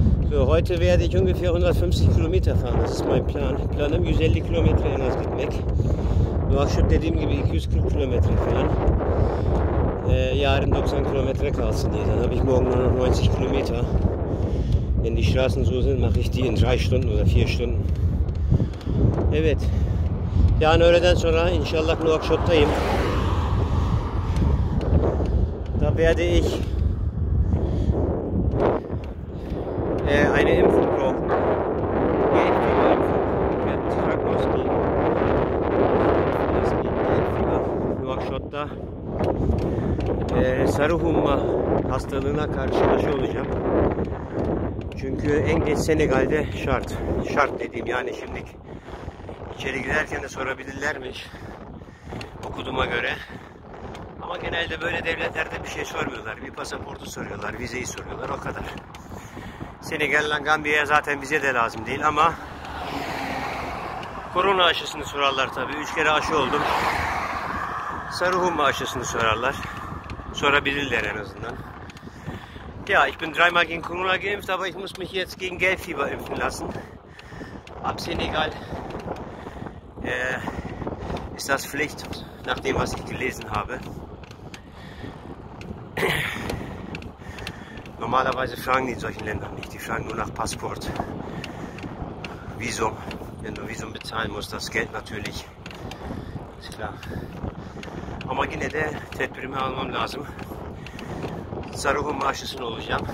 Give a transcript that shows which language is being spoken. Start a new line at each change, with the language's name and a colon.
German: So, heute werde ich ungefähr 150 Kilometer fahren. Das ist mein Plan.
Turkish: Planım 150 Kilometre en az gitmek. Nouakchott dediğim gibi 240 Kilometre falan. Yarın 90 Kilometre kalsın diye.
German: Dann habe ich morgen nur noch 90 Kilometer. Wenn die Straßen so sind, mache ich die in 3 Stunden oder 4 Stunden.
Turkish: Evet. Yarın öğleden sonra inşallah Nouakchott'tayım.
German: Da werde ich eine Impfung brauchen. Gehe ich die Impfung? Ich werde das Krankenhaus gehen. Das geht nicht. Nouakchott da.
Turkish: sarı humma hastalığına karşı aşı olacağım. Çünkü en geç Senegal'de şart. Şart dediğim yani şimdi içeri girerken de sorabilirlermiş okuduğuma göre. Ama genelde böyle devletlerde bir şey sormuyorlar. Bir pasaportu soruyorlar, vizeyi soruyorlar, o kadar. Senegal ile Gambiya'ya zaten vize de lazım değil ama korona aşısını sorarlar tabii. 3 kere aşı oldum. Sarı humma aşısını sorarlar. Sorabilirler en azından.
German: Ja, ich bin dreimal gegen Corona geimpft, aber ich muss mich jetzt gegen Gelbfieber impfen lassen. Ab Senegal ist das Pflicht, nach dem, was ich gelesen habe. Normalerweise fragen die in solchen Ländern nicht. Die fragen nur nach Passport, Visum. Wenn du Visum bezahlen musst, das Geld natürlich. Ist klar.
Turkish: Ama yine de tedbirimi almam lazım. Sarı humma aşısını olacağım.